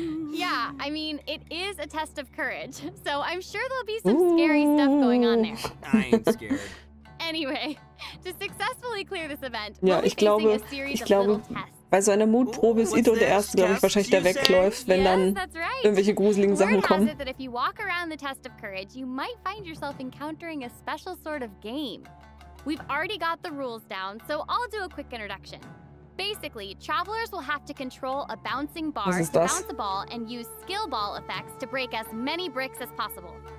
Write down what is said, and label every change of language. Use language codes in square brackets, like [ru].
[en] Yeah, I mean, it is a test of courage, so I'm sure there'll be some scary stuff going on there. I ain't scared. Anyway, to successfully clear this event, [de] ja, ich glaube, bei so einer Mutprobe ist Ito der Erste, glaube ich, wahrscheinlich, der wegläuft, wenn dann irgendwelche gruseligen Sachen kommen. [en] Word has it that if you walk around the Test of Courage, you might find yourself encountering a special sort of game. We've already got the rules down, so I'll do a quick introduction. Basically, travelers will have to control a bouncing bar to bounce a ball and use skill ball effects to break as many bricks as possible.